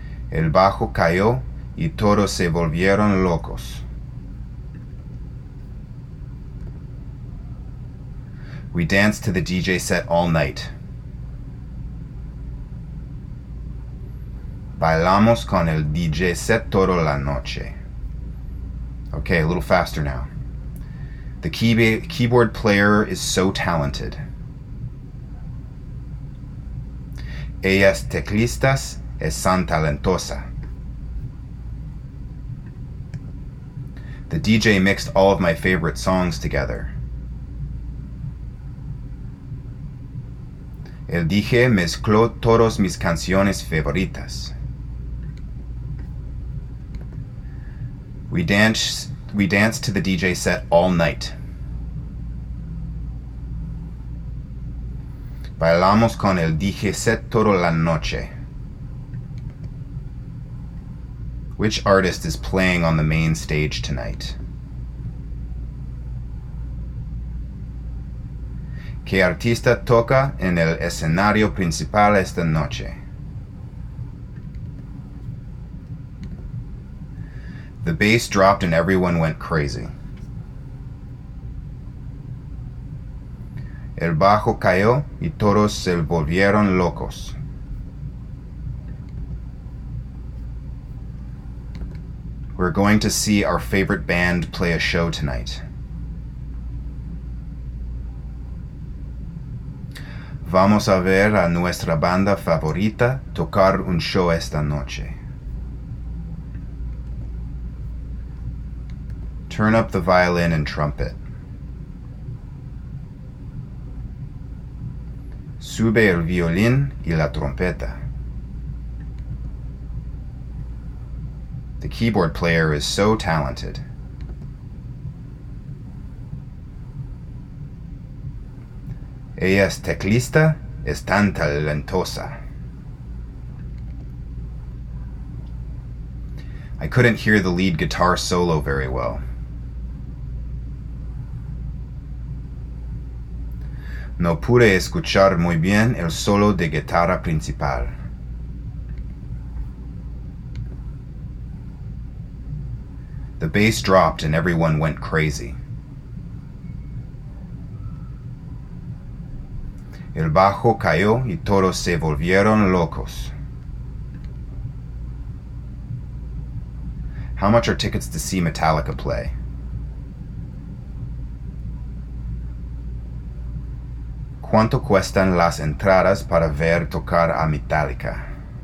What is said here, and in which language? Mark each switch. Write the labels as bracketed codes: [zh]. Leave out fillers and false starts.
[es] El bajo cayó y todos se volvieron locos. [en] We danced to the DJ set all night. [es] Bailamos con el DJ set toda la noche. [en] Okay, a little faster now. The keyboard player is so talented. [es] Ellas teclistas es tan talentosa. [en] The DJ mixed all of my favorite songs together. [es] El DJ mezcló todos mis canciones favoritas. [en] We danced to the DJ set all night. [es] Bailamos con el DJ set toda la noche. [en] Which artist is playing on the main stage tonight? [es] ¿Qué artista toca en el escenario principal esta noche? [en] The bass dropped and everyone went crazy. [es] El bajo cayó y todos se volvieron locos. [en] We're going to see our favorite band play a show tonight. [es] Vamos a ver a nuestra banda favorita tocar un show esta noche. [en] Turn up the violin and trumpet. [es] Sube el violín y la trompeta. [en] The keyboard player is so talented. [es] Ella es teclista, es tan talentosa. [en] I couldn't hear the lead guitar solo very well. [es] No pude escuchar muy bien el solo de guitarra principal. [en] The bass dropped and everyone went crazy. [es] El bajo cayó y todos se volvieron locos. [en] How much are tickets to see Metallica play? ¿ [es] ¿Cuánto cuestan las entradas para ver tocar a Metallica?